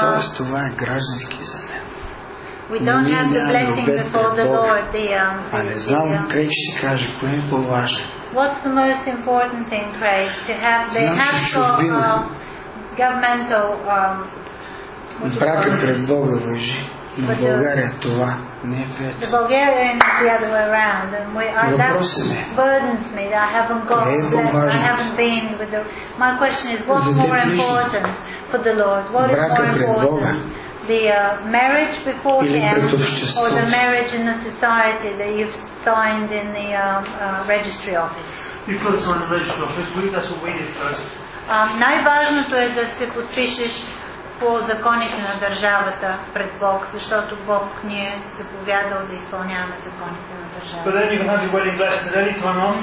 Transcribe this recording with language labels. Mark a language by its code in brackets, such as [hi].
[bg] Тоест, това е граждански за мен. [en] We don't have the blessing before the Lord. [bg] А не знам как ще кажа, кое е по-важно. [en] What's the most important thing, Craig, to have the actual governmental [bg] брак пред Бога въжи. Но България това не е прието. [en] The Bulgarian is the other way around. And that burdens me that I haven't got that, I haven't been with the... My question is, what's more important for the Lord? What is more important? The marriage before him, or the marriage in the society that you've signed in the registry office? Because on the registry office, we just waited first. [bg] Най-важното е да се подпишеш по законите на държавата пред Бог, защото Бог ни е заповядал да изпълняваме законите на държавата.